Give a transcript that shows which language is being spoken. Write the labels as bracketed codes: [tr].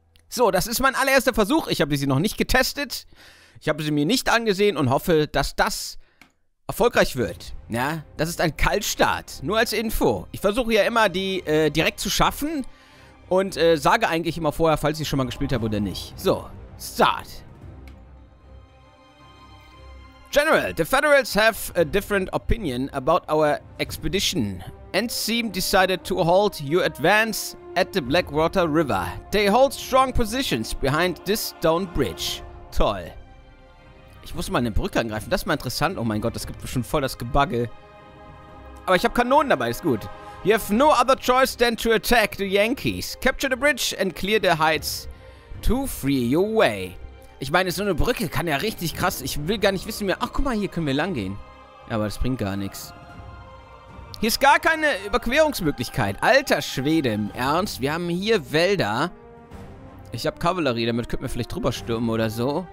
[de] So, das ist mein allererster Versuch. Ich habe sie noch nicht getestet. Ich habe sie mir nicht angesehen und hoffe, dass das erfolgreich wird. Ja, das ist ein Kaltstart. Nur als Info. Ich versuche ja immer, die direkt zu schaffen. Und sage eigentlich immer vorher, falls ich schon mal gespielt habe oder nicht. So, Start. [en] General, the Federals have a different opinion about our expedition and seem decided to halt your advance at the Blackwater River. They hold strong positions behind this stone bridge. [de] Toll. Ich muss mal eine Brücke angreifen. Das ist mal interessant. Oh mein Gott, das gibt schon voll das Gebagge. Aber ich habe Kanonen dabei, ist gut. [en] You have no other choice than to attack the Yankees. Capture the bridge and clear the heights to free your way. [de] Ich meine, so eine Brücke kann ja richtig krass. Ich will gar nicht wissen mehr. Ach, guck mal, hier können wir lang gehen. Aber das bringt gar nichts. Hier ist gar keine Überquerungsmöglichkeit. Alter Schwede, im Ernst. Wir haben hier Wälder. Ich habe Kavallerie, damit könnten wir vielleicht drüber stürmen oder so.